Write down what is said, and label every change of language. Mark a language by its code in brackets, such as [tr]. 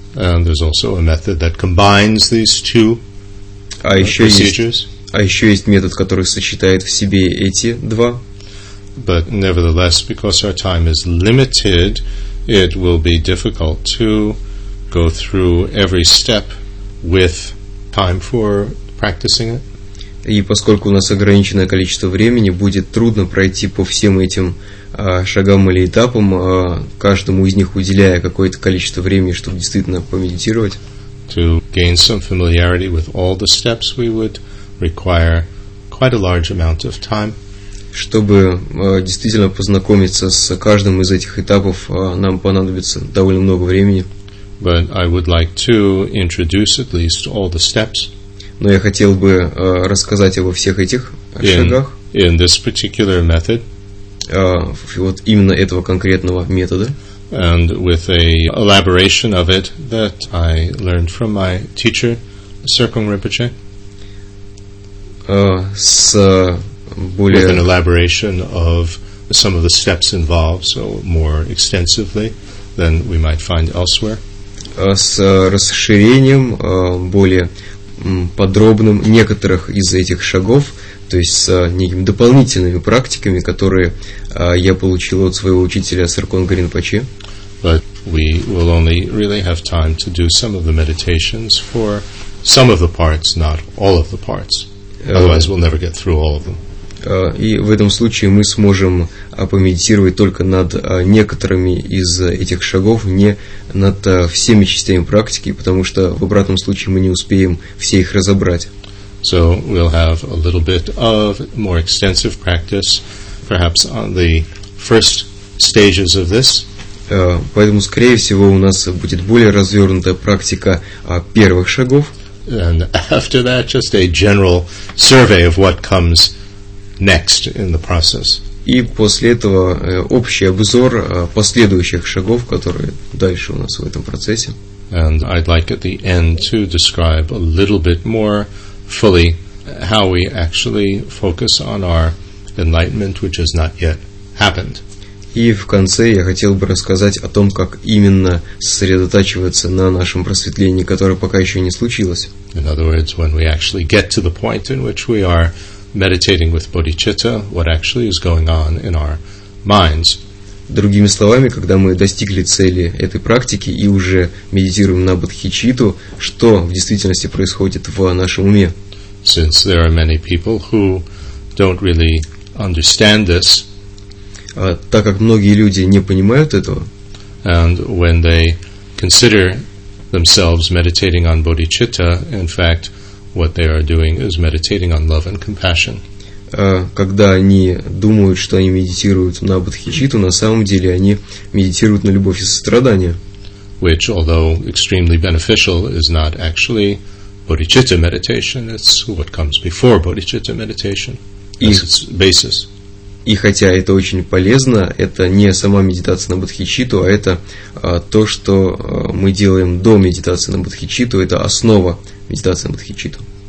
[en] And there's also a method that combines these two. [ru] А еще есть метод, который сочетает в себе эти два. [en] But nevertheless, because our time is limited, it will be difficult to go through every step with time for practicing it. [ru] И поскольку у нас ограниченное количество времени, будет трудно пройти по всем этим шагам или этапам, каждому из них уделяя какое-то количество времени, чтобы действительно помедитировать. [en] To gain some familiarity with all the steps, we would require quite a large amount of time. [ru] Чтобы действительно познакомиться с каждым из этих этапов, нам понадобится довольно много времени. [en] But I would like to introduce at least all the steps. [ru] Но я хотел бы рассказать обо всех этих шагах. [en] In this particular method. [ru] Вот именно этого конкретного метода. [en] And with a elaboration of it that I learned from my teacher, Серкунг Ринпоче. With an elaboration of some of the steps involved, so more extensively than we might find elsewhere. [ru] С расширением, более подробным некоторых из этих шагов, то есть с некими дополнительными практиками, которые я получил от своего учителя Серкунга Ринпоче. [en] But we will only really have time to do some of the meditations for some of the parts, not all of the parts. Otherwise, we'll never get through all of them. [ru] И в этом случае мы сможем помедитировать только над некоторыми из этих шагов, не над всеми частями практики, потому что в обратном случае мы не успеем все их разобрать. [en] So we'll have a little bit of more extensive practice, perhaps on the first stages of this. [ru] Поэтому, скорее всего, у нас будет более развернутая практика первых шагов. [en] And after that, just a general survey of what comes next in the process. [ru] И после этого общий обзор последующих шагов, которые дальше у нас в этом процессе. [en] And I'd like at the end to describe a little bit more fully how we actually focus on our enlightenment, which has not yet happened. [ru] И в конце я хотел бы рассказать о том, как именно сосредотачиваться на нашем просветлении, которое пока еще не случилось. [en] In other words, when we actually get to the point in which we are meditating with bodhicitta, what actually is going on in our minds. [ru] Другими словами, когда мы достигли цели этой практики и уже медитируем на бодхичитту, что в действительности происходит в нашем уме? [en] Since there are many people who don't really understand this, [ru] так как многие люди не понимают этого, [en] and when they consider themselves meditating on bodhicitta, in fact, what they are doing is meditating on love and compassion. [ru] Когда они думают, что они медитируют на бодхичитту, на самом деле они медитируют на любовь и сострадание. [en] Which, although extremely beneficial, is not actually bodhicitta meditation. It's what comes before bodhicitta meditation. That's its basis. [ru] И хотя это очень полезно, это не сама медитация на бодхичитту, а это то, что мы делаем до медитации на бодхичитту, это основа медитации на бодхичитту.